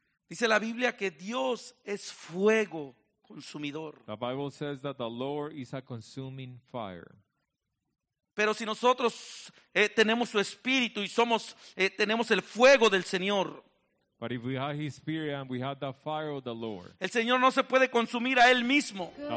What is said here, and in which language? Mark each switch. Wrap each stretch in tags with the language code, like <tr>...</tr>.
<es>Dice la Biblia que Dios es fuego consumidor.</es> <en>The Bible says that the Lord is a consuming fire.</en> <es>Pero si nosotros tenemos su espíritu y somos tenemos el fuego del Señor.</es> <en>But if we have his spirit and we have the fire of the Lord.</en> <es>El Señor no se puede consumir a él mismo.</es>